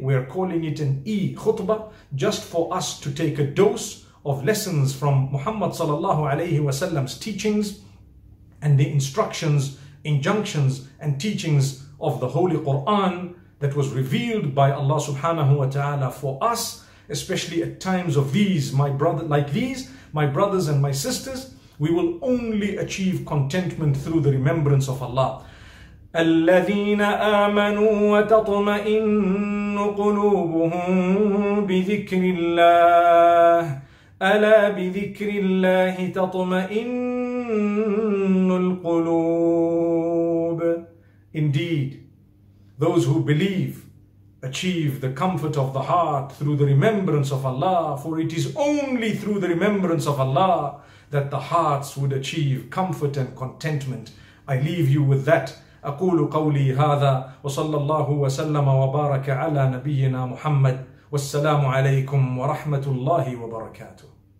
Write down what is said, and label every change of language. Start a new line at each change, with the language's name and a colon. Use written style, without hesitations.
English: We are calling it an e-khutbah, just for us to take a dose of lessons from Muhammad sallallahu alayhi wa sallam's teachings and the instructions, injunctions, and teachings of the Holy Quran that was revealed by Allah subhanahu wa ta'ala for us, especially at times of these, my brothers and my sisters. We will only achieve contentment through the remembrance of Allah.
Arabic: الذين آمنوا وتطمئن قلوبهم بذكر الله ألا بذكر الله تطمئن القلوب.
English: Indeed, those who believe achieve the comfort of the heart through the remembrance of Allah, for it is only through the remembrance of Allah that the hearts would achieve comfort and contentment. I leave you with that.
Arabic: أقول قولي هذا وصلى الله وسلم وبارك على نبينا محمد والسلام عليكم ورحمة الله وبركاته.